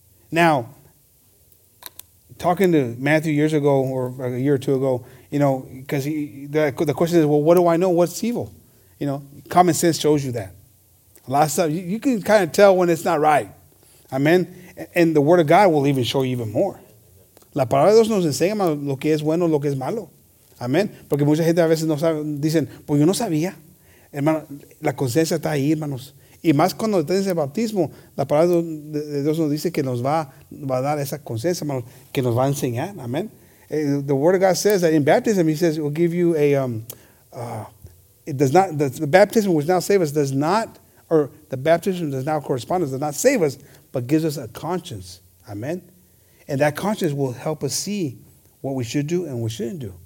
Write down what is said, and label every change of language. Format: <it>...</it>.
<en>Now, talking to Matthew years ago, or a year or two ago, you know, because the question is, well, what do I know? What's evil? You know, common sense shows you that. A lot of stuff, you can kind of tell when it's not right. Amen? And the Word of God will even show you even more.</en> <es>La palabra de Dios nos enseña lo que es bueno, lo que es malo. Amen? Porque mucha gente a veces no sabe, dicen, pues yo no sabía. Hermano, la conciencia está ahí, hermanos. Y más cuando tenés el bautismo, la palabra de Dios nos dice que nos va a dar esa conciencia, hermanos, que nos va a enseñar. Amen?</es> <en>The Word of God says that in baptism, He says, it will give you a, it does not, the baptism which now saves us does not, or the baptism does not correspond, does not save us, but gives us a conscience. Amen? And that conscience will help us see what we should do and what we shouldn't do.</en>